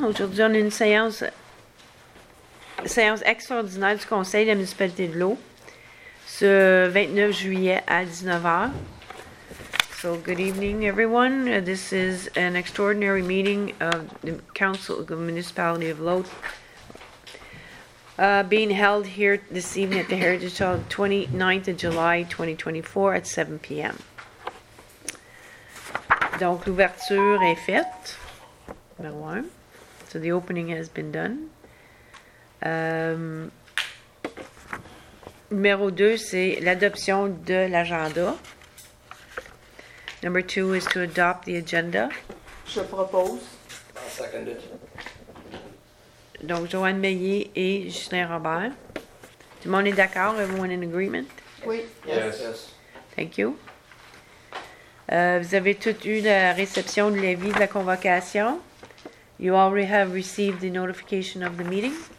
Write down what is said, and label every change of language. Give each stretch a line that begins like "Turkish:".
French: Aujourd'hui, on a une séance extraordinaire du Conseil de la municipalité de l'eau, ce 29 juillet à 19h.
English: So, good evening, everyone. This is an extraordinary meeting of the Council of the Municipality of l'eau, being held here this evening at the Heritage Hall, 29th of July, 2024, at 7 p.m.
French: Donc, l'ouverture est faite, numéro un.
English: So, the opening has been done.
French: Numéro deux, c'est l'adoption de l'agenda.
English: Number two is to adopt the agenda.
French: Je propose. Donc, Joanne Meillier et Justin Robert. Tout le monde est d'accord?
English: Everyone in agreement?
French: Oui.
English: Yes. Thank you.
French: Vous avez toutes eu la réception de l'avis de la convocation.
English: You already have received the notification of the meeting.